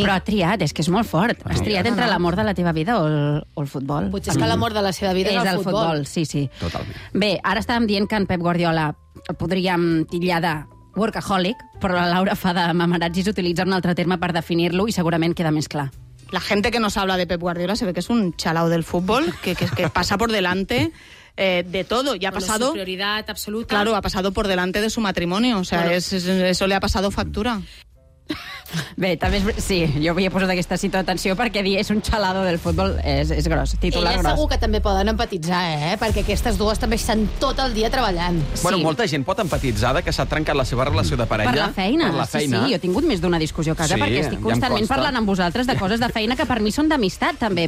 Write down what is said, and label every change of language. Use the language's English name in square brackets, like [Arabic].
[Catalan] Però ha triat, és que és molt fort. Triat entre l'amor de la teva vida o el futbol. Potser és que l'amor de la seva vida és el futbol. És el futbol, sí. Totalment. Bé, ara estàvem dient que en Pep Guardiola el podríem titllar de workaholic, però la Laura fa de mamaratzis utilitzar un altre terme per definir-lo i segurament queda més clar. [Spanish] La gente que nos habla de Pep Guardiola se ve que es un chalao del fútbol que pasa por delante de todo y ha pasado... Su prioridad absoluta. Claro, ha pasado por delante de su matrimonio. O sea, claro. Eso le ha pasado factura. [Catalan] Bé, també és... Sí, jo havia posat aquesta cita d'atenció perquè dir és un xalado del futbol és gros, titular gros. Ella segur que també poden empatitzar, eh? Perquè aquestes dues també estan tot el dia treballant. Bueno, sí. Molta gent pot empatitzar que s'ha trencat la seva relació de parella. Per la feina. Sí, jo he tingut més d'una discussió a casa perquè estic constantment parlant amb vosaltres de coses de feina que per mi són d'amistat, també.